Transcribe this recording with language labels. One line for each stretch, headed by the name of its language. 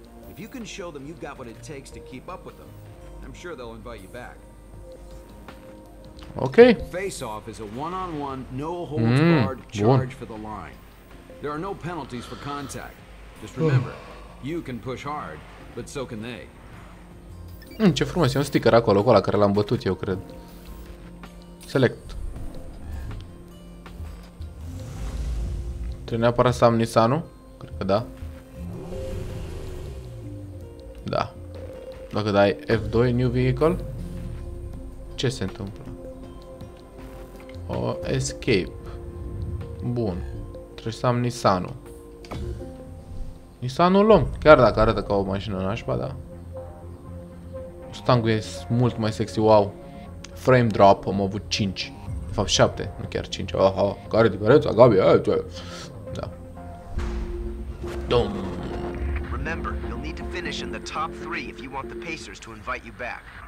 English: If you can show them you've got what it takes to keep up with them, I'm sure they'll invite you back. Okay. Face off is a one-on-one, no holds barred charge for the line. There are no penalties for contact. Just remember, you can push hard, but so can they.
Romanian: Ce frumos, e un sticker acolo, cu ăla care l-am bătut, eu cred. Select. Trebuie neapărat să am Nissan-ul? Cred că da. Da. Dacă dai F2, new vehicle, ce se întâmplă? O, escape. Bun. Trebuie să am Nissan-ul. Nissan-ul luăm, chiar dacă arată ca o mașină nașpa, da. Mustang-ul e mult mai sexy, wow. Frame drop, am avut 5. De fapt 7, nu chiar 5. Aha, care diferența, Gabi? Aia, ce? Da. Dom.
English: Remember, you'll need to finish in the top 3 if you want the Pacers to invite you back.